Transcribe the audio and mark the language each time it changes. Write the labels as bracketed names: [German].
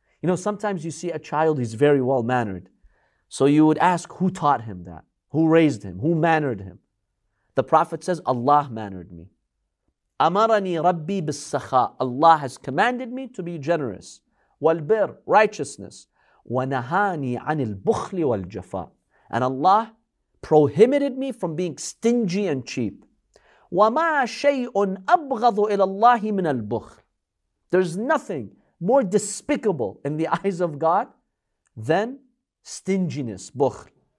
[English] You know, sometimes you see a child, he's very well mannered. So you would ask, who taught him that? Who raised him? Who mannered him? The Prophet says, Allah mannered me. [Arabic] أمرني ربي بالسخاء. [English] Allah has commanded me to be generous. والبر, righteousness. [Arabic] ونهاني عن البخل والجفاء. [English] And Allah prohibited me from being stingy and cheap. [Arabic] وَمَا شَيْءٌ أَبْغَضُ إِلَى اللَّهِ مِنَ الْبُخْرِ. [English] There's nothing more despicable in the eyes of God than stinginess, bukhl.